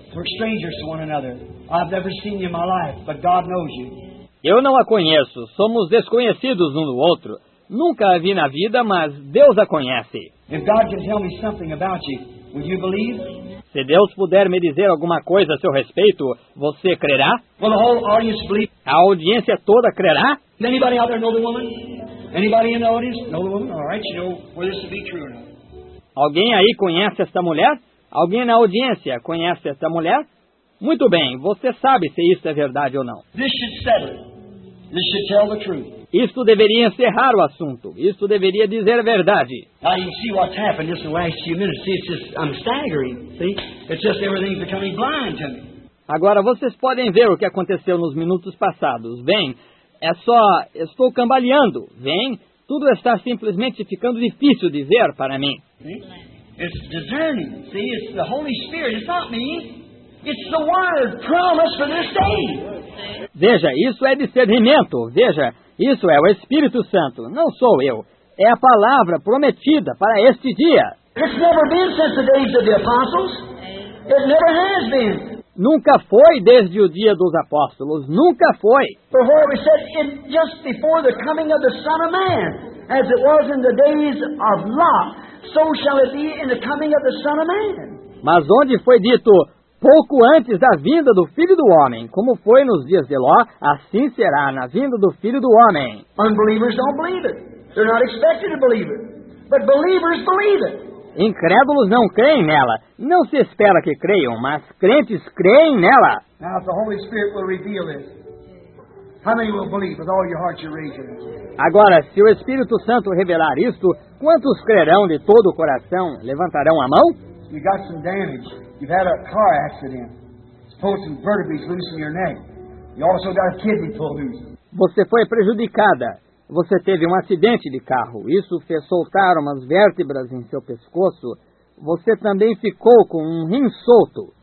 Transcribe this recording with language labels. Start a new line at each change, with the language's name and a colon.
English: We're strangers to one another. I've never seen you in my life, but God knows you.
Portuguese: Eu não a conheço. Somos desconhecidos um do outro. Nunca a vi na vida, mas Deus a conhece.
English: If God can tell me something about you, would you believe?
Portuguese: Se Deus puder me dizer alguma coisa a seu respeito, você crerá?
English: Will the whole audience believe?
Portuguese: A audiência toda crerá?
English: Does anybody out there know the woman? Anybody in the audience know the woman? All right, you know whether this will be true or not.
Portuguese: Alguém aí conhece esta mulher? Alguém na audiência conhece esta mulher? Muito bem, você sabe se isso é verdade ou não.
English: This should settle. This should tell the truth.
Portuguese: Isto deveria encerrar o assunto. Isto deveria dizer a verdade.
English: Now you see what's happened just in the last few minutes. See, it's just, I'm staggering. See? It's just everything's becoming blind to me.
Portuguese: Agora vocês podem ver o que aconteceu nos minutos passados. Vem, é só, estou cambaleando. Vem, tudo está simplesmente ficando difícil de ver para mim.
English: See? It's discerning. See, it's the Holy Spirit. It's not me. It's the Word promised for this day.
Portuguese: Veja, isso é discernimento. Veja, isso é o Espírito Santo. Não sou eu. É a palavra prometida para este dia.
English: It's never been since the days of the apostles. It never has been.
Portuguese: Nunca foi desde o dia dos apóstolos. Nunca foi.
English: For where we said it just before the coming of the Son of Man, as it was in the days of Lot, so shall it be in the coming of the Son of Man.
Portuguese: Mas onde foi dito pouco antes da vinda do Filho do Homem, como foi nos dias de Ló, assim será na vinda do Filho do Homem.
English: Unbelievers don't believe it. They're not expected to believe it. But believers believe it.
Portuguese: Incrédulos não creem nela. Não se espera que creiam, mas crentes creem nela.
English: Now if the Holy Spirit will reveal this, how many will believe with all your heart you raise your hands?
Portuguese: Agora, se o Espírito Santo revelar isto, quantos crerão de todo o coração? Levantarão a mão?
English: You got some damage. You've had a car accident. Pulled some vertebrae loose in your neck. You also got a kidney pulled loose.
Portuguese: Você foi prejudicada. Você teve um acidente de carro. Isso fez soltar umas vértebras em seu pescoço. Você também ficou com um rim solto.